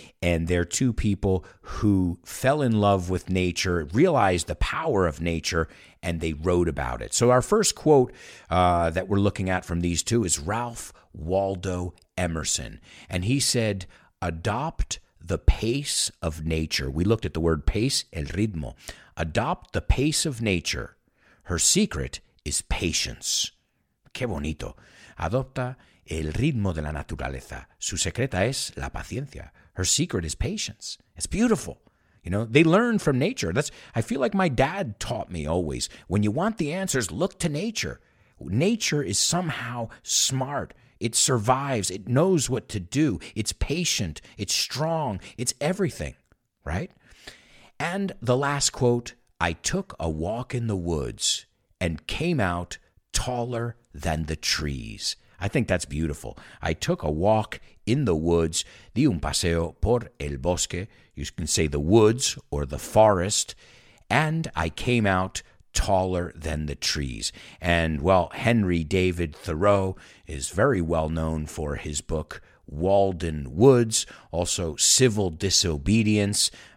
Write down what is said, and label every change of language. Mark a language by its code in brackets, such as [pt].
[en] And they're two people who fell in love with nature, realized the power of nature, and they wrote about it. So our first quote that we're looking at from these two is Ralph Waldo Emerson. And he said, "Adopt the pace of nature." We looked at the word pace, el ritmo. "Adopt the pace of nature. Her secret is patience." [es] Qué bonito. Adopta el ritmo de la naturaleza. Su secreta es la paciencia. [en] Her secret is patience. It's beautiful. You know, they learn from nature. That's, I feel like my dad taught me always, when you want the answers, look to nature. Nature is somehow smart. It survives. It knows what to do. It's patient. It's strong. It's everything, right? And the last quote, "I took a walk in the woods and came out taller than the trees." I think that's beautiful. I took a walk in the woods. [es] Di un paseo por el bosque. [en] You can say the woods or the forest. And I came out taller than the trees. And, well, Henry David Thoreau is very well known for his book, Walden Woods, also Civil Disobedience.